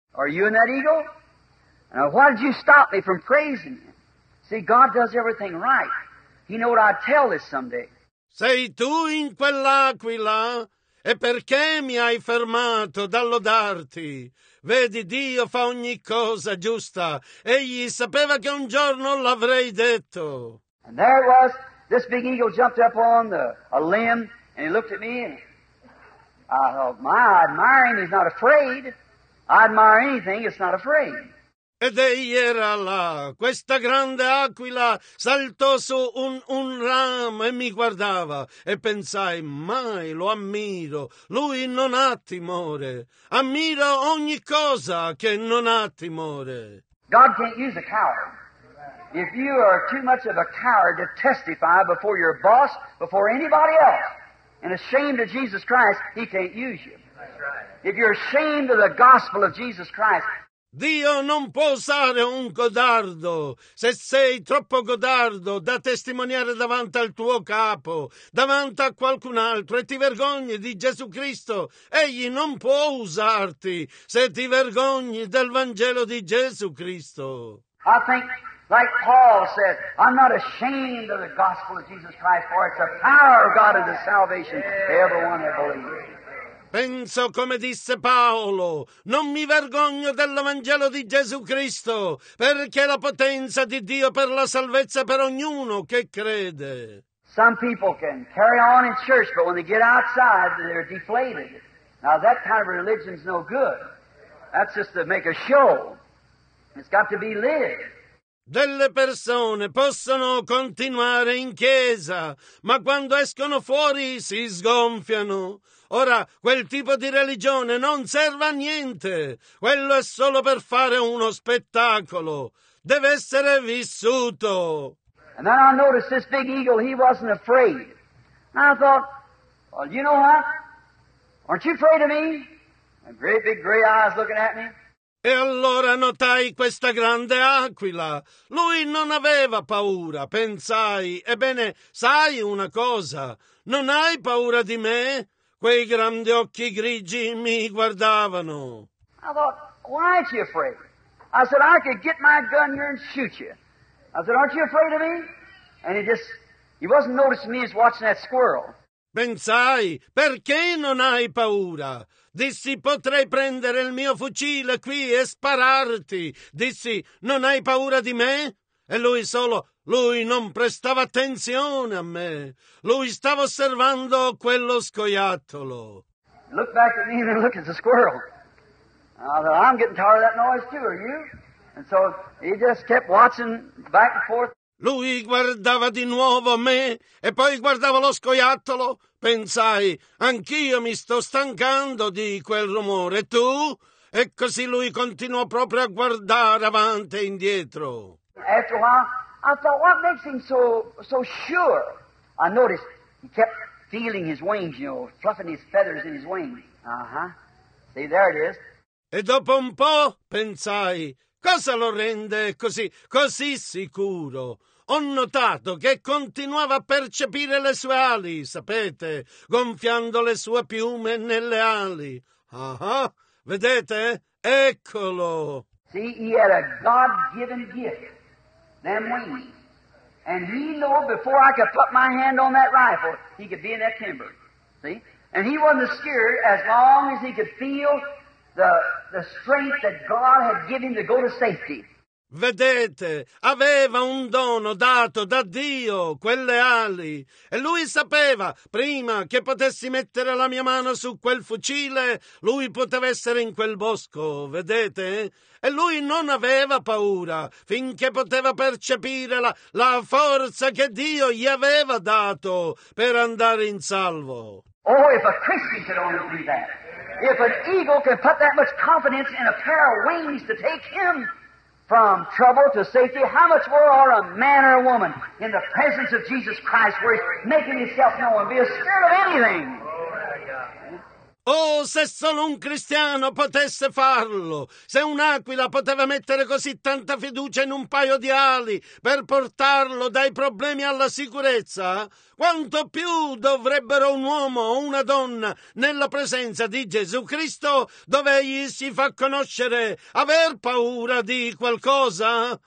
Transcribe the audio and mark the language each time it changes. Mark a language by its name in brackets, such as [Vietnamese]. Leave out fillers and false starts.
[English] Are you in that eagle? Now, why did you stop me from praising him? See, God does everything right. He knows what I'd tell this someday. [Italian] Sei tu in quell'aquila? E perché mi hai fermato dal lodarti? Vedi, Dio fa ogni cosa giusta. Egli sapeva che un giorno l'avrei detto. [English] And there was, this big eagle jumped up on a limb, and he looked at me, and I thought, my, I admire him, he's not afraid. I admire anything, it's not afraid. [Italian] Ed egli era là, questa grande aquila saltò su un ramo e mi guardava e pensai, mai lo ammiro, lui non ha timore, ammiro ogni cosa che non ha timore. [English] God can't use a coward. If you are too much of a coward to testify before your boss, before anybody else, and ashamed of Jesus Christ, he can't use you. That's right. If you're ashamed of the gospel of Jesus Christ... [Italian] Dio non può usare un codardo. Se sei troppo codardo da testimoniare davanti al tuo capo, davanti a qualcun altro, e ti vergogni di Gesù Cristo, egli non può usarti se ti vergogni del Vangelo di Gesù Cristo. [English] I think, like Paul said, I'm not ashamed of the gospel of Jesus Christ, for it's the power of God unto salvation to everyone that believes. [Italian] Penso come disse Paolo, non mi vergogno dell'Evangelo di Gesù Cristo, perché è la potenza di Dio per la salvezza per ognuno che crede. [English] Some people can carry on in church, but when they get outside, they're deflated. Now that kind of religion's no good. That's just to make a show. It's got to be lived. [Italian] Delle persone possono continuare in chiesa, ma quando escono fuori si sgonfiano. Ora, quel tipo di religione non serve a niente. Quello è solo per fare uno spettacolo. Deve essere vissuto. [English] And then I noticed this big eagle, he wasn't afraid. And I thought, well, you know what? Aren't you afraid of me? And great big gray eyes looking at me. [Italian] E allora notai questa grande aquila. Lui non aveva paura, pensai. Ebbene, sai una cosa? Non hai paura di me? Quei grandi occhi grigi mi guardavano. [English] I thought, why aren't you afraid? I said, I could get my gun here and shoot you. I said, aren't you afraid of me? And he wasn't noticing me, he was watching that squirrel. [Italian] Pensai, perché non hai paura? Dissi, potrei prendere il mio fucile qui e spararti. Dissi, non hai paura di me? E lui solo, lui non prestava attenzione a me. Lui stava osservando quello scoiattolo. [English] Look back at me and look at the squirrel. I thought, I'm getting tired of that noise too, are you? And so he just kept watching back and forth. [Italian] Lui guardava di nuovo me e poi guardava lo scoiattolo. Pensai, anch'io mi sto stancando di quel rumore. Tu? E così lui continuò proprio a guardare avanti e indietro. [English] After a while, I thought, what makes him so sure? I noticed he kept feeling his wings, you know, fluffing his feathers in his wings. Uh-huh. See, there it is. [Italian] E dopo un po', pensai, cosa lo rende così sicuro? Ho notato che continuava a percepire le sue ali, sapete, gonfiando le sue piume nelle ali. Ah, vedete? Eccolo! [English] See, he had a God-given gift, them wings. And he knew before I could put my hand on that rifle, he could be in that timber. See? And he wasn't scared as long as he could feel the strength that God had given him to go to safety. [Italian] Vedete, aveva un dono dato da Dio, quelle ali, e lui sapeva, prima che potessi mettere la mia mano su quel fucile, lui poteva essere in quel bosco, vedete? E lui non aveva paura, finché poteva percepire la forza che Dio gli aveva dato per andare in salvo. [English] Oh, if a Christian could only do that, if an eagle could put that much confidence in a pair of wings to take him from trouble to safety, how much more are a man or a woman in the presence of Jesus Christ, where he's making himself known, be scared of anything? [Italian] Oh, se solo un cristiano potesse farlo, se un'aquila poteva mettere così tanta fiducia in un paio di ali per portarlo dai problemi alla sicurezza, quanto più dovrebbero un uomo o una donna nella presenza di Gesù Cristo, dove egli si fa conoscere, aver paura di qualcosa?